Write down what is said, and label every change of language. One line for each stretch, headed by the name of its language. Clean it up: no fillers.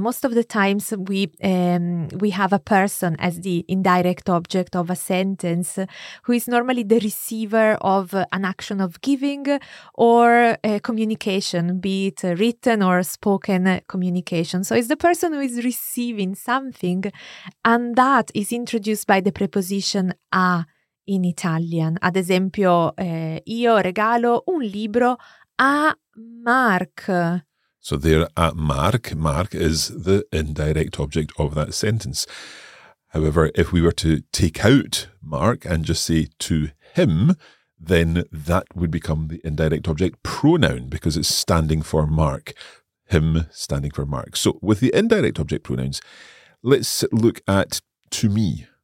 English: Most of the times we have a person as the indirect object of a sentence, who is normally the receiver of an action of giving or communication, be it written or spoken communication. So it's the person who is receiving something, and that is introduced by the preposition a. In Italian,
Italian: ad esempio, io regalo un libro a Mark.
English: So there, a Mark. Mark is the indirect object of that sentence. However, if we were to take out Mark and just say to him, then that would become the indirect object pronoun because it's standing for Mark. Him standing for Mark. So with the indirect object pronouns, let's look at to me.